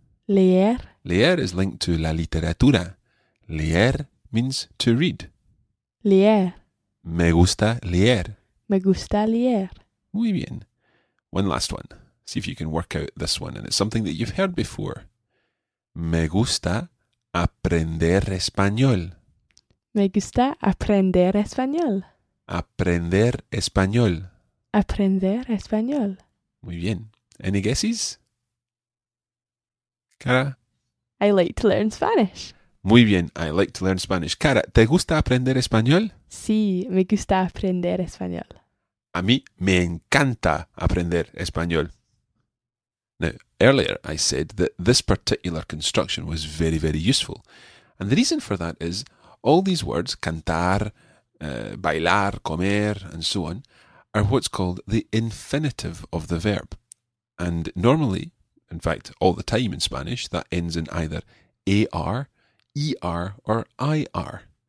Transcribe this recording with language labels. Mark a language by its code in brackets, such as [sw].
[es] Leer. [en] Leer is linked to la literatura. Leer means to read. [es] Leer. Me gusta leer. Me gusta leer. Muy bien. [en] One last one. See if you can work out this one. And it's something that you've heard before. [es] Me gusta aprender español. Me gusta aprender español. Aprender español. Aprender español. Muy bien. [en] Any guesses? Cara? I like to learn Spanish. [es] Muy bien. [en] I like to learn Spanish. [es] Cara, ¿te gusta aprender español? Sí, me gusta aprender español. A mí me encanta aprender español. [en] Now, earlier I said that this particular construction was very, very useful. And the reason for that is all these words, cantar, bailar, comer, and so on, are what's called the infinitive of the verb. And normally, in fact, all the time in Spanish, that ends in either AR, ER, or IR.